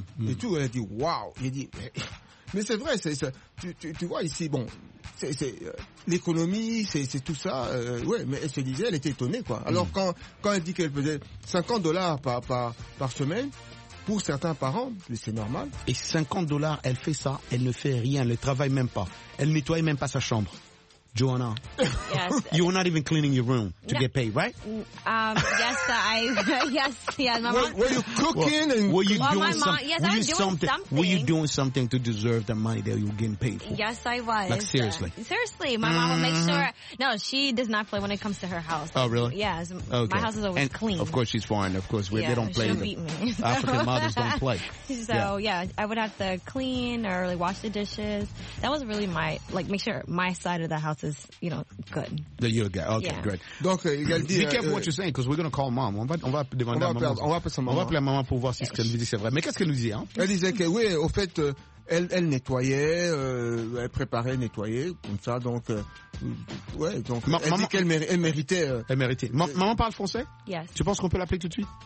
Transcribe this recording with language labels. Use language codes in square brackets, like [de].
[fr] Et tout, elle dit, waouh. J'ai dit, mais c'est vrai, tu vois ici, bon, c'est l'économie, c'est tout ça, ouais, mais elle se disait, elle était étonnée, quoi. Alors quand elle dit qu'elle faisait $50 par semaine, pour certains parents, c'est normal. Et $50, elle fait ça, elle ne fait rien, elle ne travaille même pas, elle nettoie même pas sa chambre. Johanna, [en] yes. You're not even cleaning your room to get paid, right? My mom. Were you cooking and were you doing something? Were you doing something to deserve the money that you were getting paid for? Yes, I was. Like seriously. Seriously, my mom will make sure. No, she does not play when it comes to her house. Oh, really? Yes. Okay. My house is always and clean. Of course, she's foreign. Of course, they don't play. She'll beat me. African mothers don't play. So yeah, I would have to clean or like wash the dishes. That was really my make sure my side of the house. Is, you know, good. The yoga. Okay, yeah. Great. [fr] Donc, [en] be careful what you're saying, because we're going to call mom. [fr] On va demander à maman. On va appeler sa maman. On va appeler maman pour voir si ce qu'elle nous dit, c'est vrai. Mais qu'est-ce qu'elle nous dit, hein? Elle disait que, oui, au fait, elle nettoyait, elle préparait, nettoyait, comme ça, donc, donc, elle dit qu'elle méritait. Elle méritait. Maman parle français? [en] Yes. [fr] Tu penses qu'on peut l'appeler tout de suite?